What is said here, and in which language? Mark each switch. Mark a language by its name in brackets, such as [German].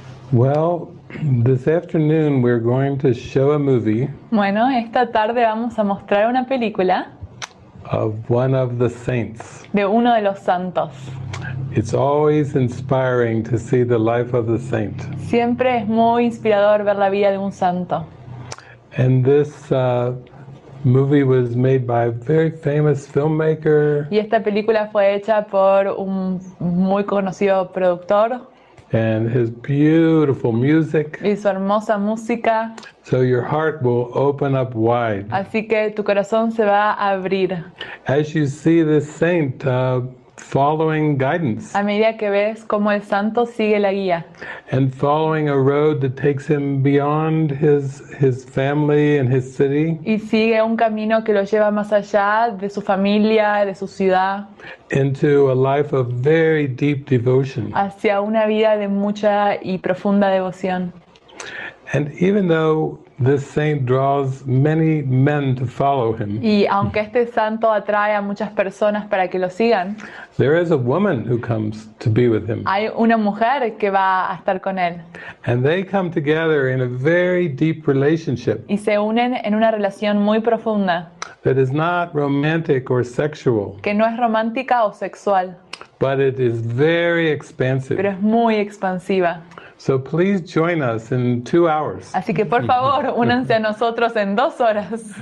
[English] Well, this afternoon we're going to show a movie. [Spanish] Bueno, esta tarde vamos a mostrar una película. [English] Of one of the saints. [Spanish] De uno de los santos. [English] It's always inspiring to see the life of the saint. [Spanish] Siempre es muy inspirador ver la vida de un santo. [English] And this movie was made by a very famous filmmaker. [Spanish] Y esta película fue hecha por un muy conocido productor. [English] And his beautiful music. [Spanish] Y su hermosa música. [English] So your heart will open up wide. [Spanish] Así que tu corazón se va a abrir. [English] As you see this saint following guidance. [Spanish] A medida que ves cómo el santo sigue la guía. [English] And following a road that takes him beyond his family and his city. [Spanish] Y sigue un camino que lo lleva más allá de su familia, de su ciudad. [English] Into a life of very deep devotion. [Spanish] Hacia una vida de mucha y profunda devoción. [English] And even though this saint draws many men to follow him. [Spanish] Y aunque este santo atrae a muchas personas para que lo sigan. [English] There is a woman who comes to be with him. [Spanish] Hay una mujer que va a estar con él. [English] And they come together in a very deep relationship. [Spanish] Y se unen en una relación muy profunda. [English] That is not romantic or sexual. [Spanish] Que no es romántica o sexual. [English] But it is very expansive. [Spanish] Pero es muy expansiva. [English] So please join us in 2 hours. [Spanish] Así que por favor, únanse a nosotros en 2 horas.